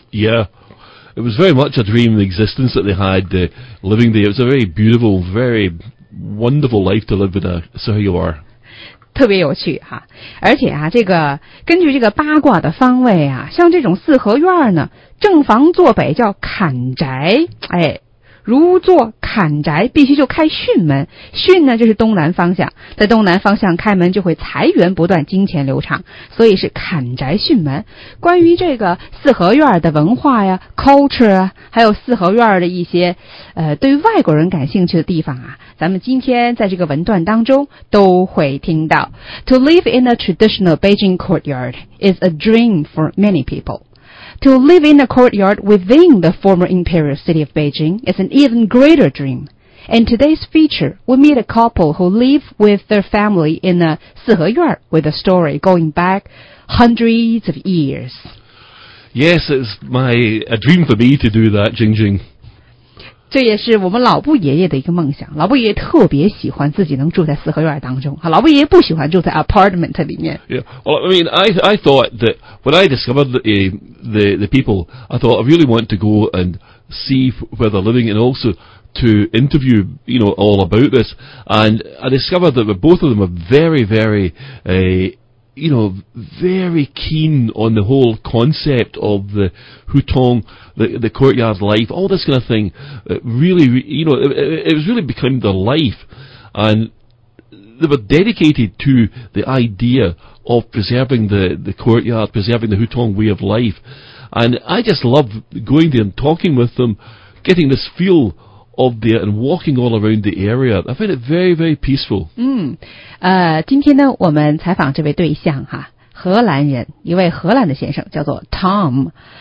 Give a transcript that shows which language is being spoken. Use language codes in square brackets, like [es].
[en] Yeah, it was very much a dream existence that they had, living there. It was a very beautiful, very wonderful life to live in a Sohyoar. [zh] 特别有趣哈，而且啊，这个根据这个八卦的方位啊，像这种四合院呢，正房坐北叫坎宅，如坐坎宅必须就开巽门，巽呢就是东南方向，在东南方向开门就会财源不断，金钱流畅，所以是坎宅巽门。关于这个四合院的文化呀 culture 啊，还有四合院的一些对外国人感兴趣的地方啊，咱们今天在这个文段当中都会听到。 [en] To live in a traditional Beijing courtyard is a dream for many peopleTo live in a courtyard within the former imperial city of Beijing is an even greater dream. In today's feature, we meet a couple who live with their family in a 四合院 with a story going back hundreds of years. Yes, it's a dream for me to do that, Jingjing. [zh] 这也是我们老布爷爷的一个梦想。老布爷爷特别喜欢自己能住在四合院当中。老布爷爷不喜欢住在 apartment 里面。 [en] Yeah, well, I mean, I thought that when I discovered the people, I thought I really want to go and see where they're living and also to interview, you know, all about this. And I discovered that both of them are very, very, you know, very keen on the whole concept of the hutong, the courtyard life, all this kind of thing. It was really become their life. And they were dedicated to the idea of preserving the courtyard, preserving the hutong way of life. And I just love going there and talking with them, getting this feel of there and walking all around the area. I find it very, very peaceful. [zh] 今天呢我们采访这位对象哈，荷兰人，一位荷兰的先生叫做 Tom。